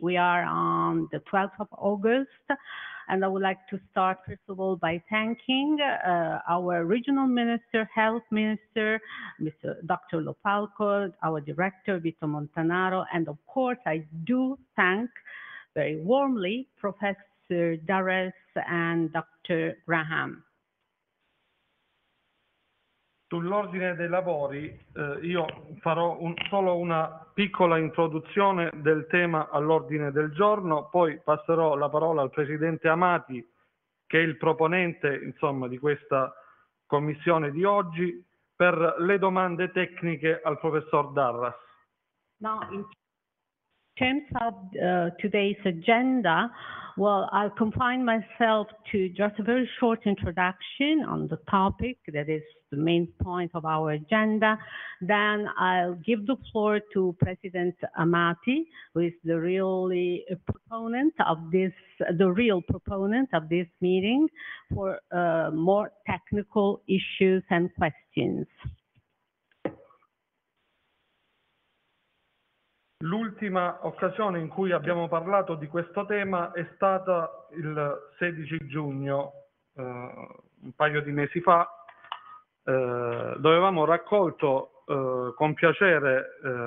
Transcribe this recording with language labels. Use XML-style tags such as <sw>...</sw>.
<en>We are on the 12th of August, and I would like to start, first of all, by thanking our regional minister, health minister, Dr. Lopalco, our director, Vito Montanaro, and of course, I do thank very warmly Professor Dares and Dr. Graham.</en> <it>Sull'ordine dei lavori, io farò solo una piccola introduzione del tema all'ordine del giorno, poi passerò la parola al presidente Amati, che è il proponente, insomma, di questa commissione di oggi, per le domande tecniche al professor Dares.</it> <en>No, in terms of today's agenda, well, I'll confine myself to just a very short introduction on the topic that is the main point of our agenda. Then I'll give the floor to President Amati, who is the real proponent of this meeting for more technical issues and questions.</en> <it>L'ultima occasione in cui abbiamo parlato di questo tema è stata il 16 giugno, un paio di mesi fa, dove avevamo raccolto con piacere</it>